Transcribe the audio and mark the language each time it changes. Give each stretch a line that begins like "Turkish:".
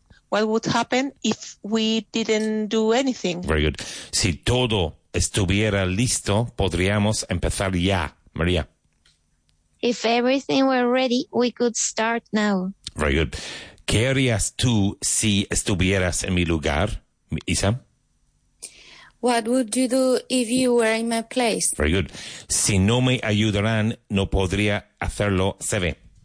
English: What would happen if we didn't do anything? Very good.
Spanish: Si todo estuviera listo, podríamos empezar ya, María.
English: If everything were ready, we could start now. Very good.
Spanish: ¿Qué harías tú si estuvieras en mi lugar, Isa?
English: What would you do if you were in my place? Very good.
Spanish: Si no me ayudaran, no podría hacerlo, Seve.